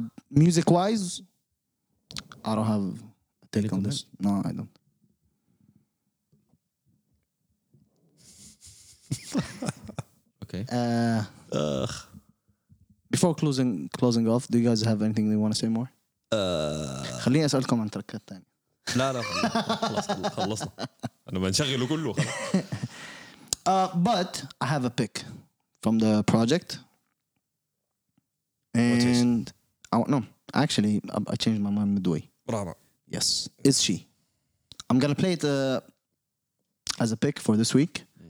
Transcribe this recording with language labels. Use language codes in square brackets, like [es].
[en] Music-wise, I don't have a take on this. No, I don't. Okay. Before closing off, do you guys have anything they want to say more? [ar] خليني أسألكم عن تركات تاني. لا لا خلصنا. أنا بنشغله كله. [en] But I have a pick from the project. And actually, I changed my mind midway. Rama. Yes, is she? I'm gonna play it as a pick for this week.